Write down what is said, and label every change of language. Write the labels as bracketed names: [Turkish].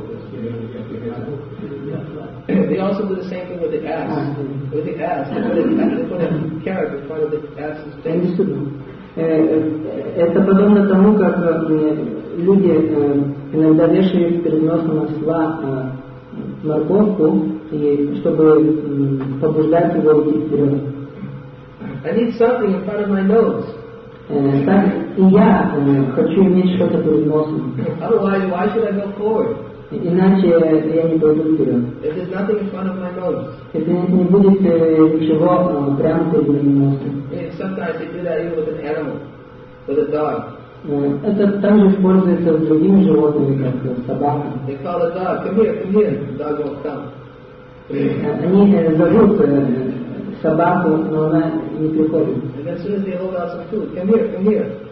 [English] They also do the same thing with the ass. With the ass, they put a carrot in front of the ass's face. [Russian] Это подобно тому, как люди иногда вешают перед носом осла морковку, чтобы побуждать его идти вперед. [English] I need something in front of my nose. [Russian] Так и я хочу иметь что-то перед носом. [English] Otherwise, why should I go forward? [Russian] Иначе я не пойду вперед. [English] If there's nothing in front of my nose. [Russian] Если не будет ничего прямо перед моим носом. [English] Sometimes they do that even with an animal, with a dog. [Russian] Это также используется с другими животными, как собака. [English] They call the dog, come here, the dog won't come. [Russian] Они зовут собаку, но она не приходит. [English] And as soon as they hold out some food, come here.